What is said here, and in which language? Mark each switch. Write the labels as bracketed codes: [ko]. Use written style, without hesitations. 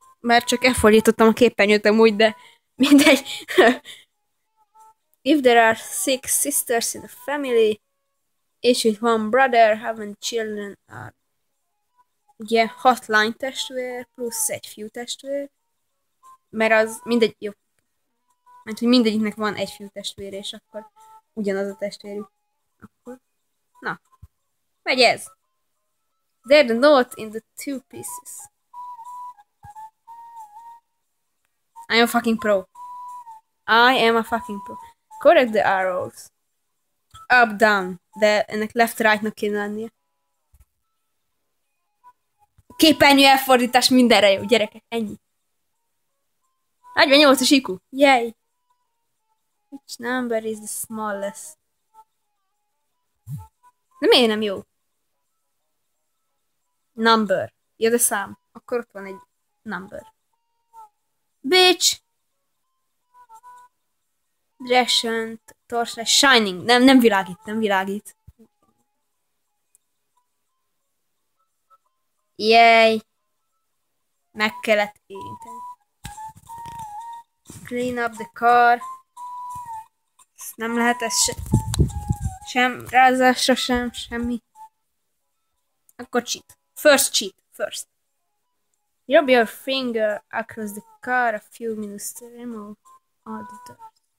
[hu] Már csak elfordítottam a képernyőt amúgy, de mindegy. [en] If there are six sisters in a family, each with one brother, how many children are? [hu] Ugye, hat lány testvér, plusz egy fiú testvér. Mert az mindegy, jó. Mert hogy mindegyiknek van egy fiú testvér, és akkor ugyanaz a testvérük. Akkor. Na. Megy ez. [en] They're the note in the two pieces. I am a fucking pro. Correct the arrows. Up, down. [hu] De ennek left, right-nak kéne lennie. Képernyő elfordítás mindenre jó, gyerekek. Ennyi. 48-as IQ. Yay. [en] Which number is the smallest? [hu] De miért nem jó? Number. Ja, de szám. Akkor ott van egy number. [en] Bitch! Direction, torchlight, shining. [hu] Nem világít, nem világít. Yay! Meg kellett érinteni. [en] Clean up the car. [hu] Nem lehet ez sem rázásra sem, semmi. Akkor [en] cheat. First cheat. Rub your finger across the car a few minutes to remove all the dirt.